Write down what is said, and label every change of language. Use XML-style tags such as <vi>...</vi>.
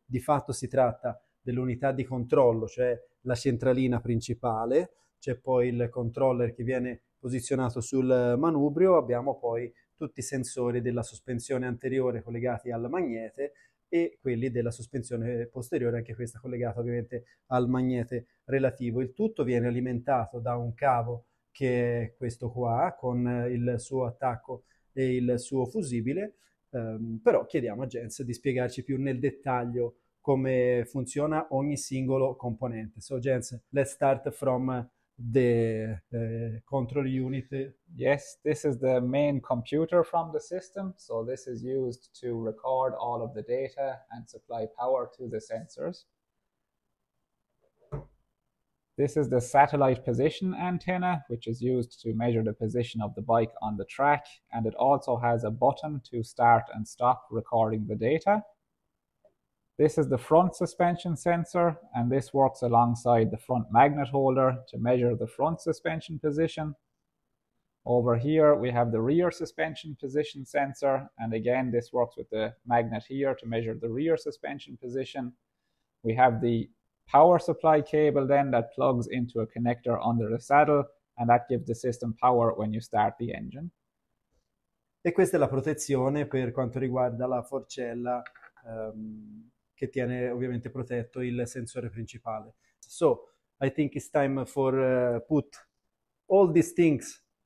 <it>Di fatto si tratta dell'unità di controllo, cioè la centralina principale, c'è poi il controller che viene posizionato sul manubrio, abbiamo poi tutti i sensori della sospensione anteriore collegati al magnete e quelli della sospensione posteriore, anche questa collegata ovviamente al magnete relativo. Il tutto viene alimentato da un cavo che è questo qua, con il suo attacco e il suo fusibile. Però chiediamo a Jens di spiegarci più nel dettaglio come funziona ogni singolo componente.</it> <en>So, Jens, let's start from the control unit. Yes, this is the main computer from the system. So this is used to record all of the data and supply power to the sensors. This is the satellite position antenna, which is used to measure the position of the bike on the track, and it also has a button to start and stop recording the data. This is the front suspension sensor, and this works alongside the front magnet holder to measure the front suspension position. Over here, we have the rear suspension position sensor, and again, this works with the magnet here to measure the rear suspension position. We have the power supply cable then that plugs into a connector under the saddle, and that gives the system power when you start the engine.</en> <it>E questa è la protezione per quanto riguarda la forcella, che tiene ovviamente protetto il sensore principale.</it> <en>So, I think it's time for put all these things</en>